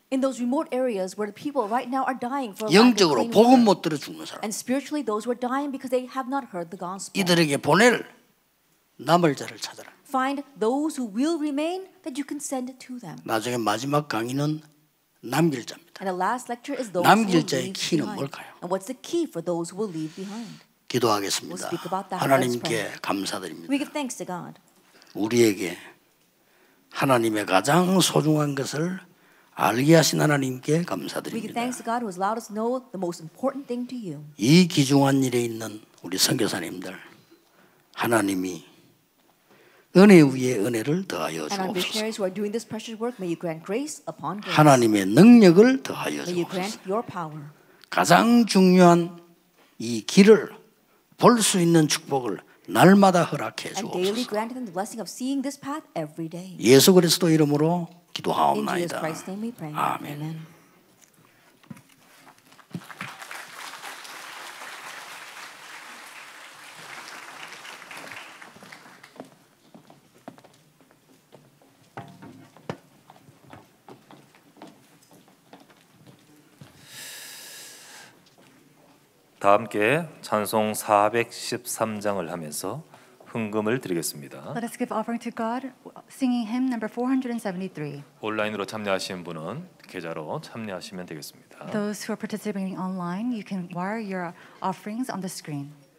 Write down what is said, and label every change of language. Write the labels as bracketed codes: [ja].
[en] In those remote areas where the people right now are dying for a [ko] 영적으로 복음 못 들어 죽는 사람. [en] And spiritually those who are dying because they have not heard the gospel. [ko] 이들에게 보낼 남을자를 찾아라. [en] Find those who will remain that you can send to them. [ko] 나중에 마지막 강의는 남길자입니다. [en] And the last lecture is those [ko] 남길자의 [en] who will leave behind. [ko] 뭘까요? [en] And what's the key for those who will leave behind? [ko] 기도하겠습니다. [en] We'll speak about that. [ko] 하나님께 감사드립니다. [en] We give thanks to God. [ko] 우리에게 하나님의 가장 소중한 것을 알게 하신 하나님께 감사드립니다. [en] We give thanks to God who has allowed us to know the most important thing to you. [ko] 이 귀중한 일에 있는 우리 선교사님들 하나님이 은혜 위에 은혜를 더하여 주옵소서. [en] And our missionaries who are doing this precious work, may you grant grace upon grace. [ko] 하나님의 능력을 더하여 주옵소서. [en] May you grant your power. [ko] 가장 중요한 이 길을 볼 수 있는 축복을 날마다 허락해 주옵소서. [en] And daily grant them the blessing of seeing this path every day. [ko] 예수 그리스도 이름으로 기도하옵나이다. [en] In Jesus Christ's name we pray. Amen. Amen. [ko] 다 함께 찬송 413장을 하면서 흥금을 드리겠습니다. [en] Let us give offering to God, singing hymn number 473. [ko] 온라인으로 참여하시는 분은 계좌로 참여하시면 되겠습니다. [en] Those who are participating online, you can wire your offerings on the screen.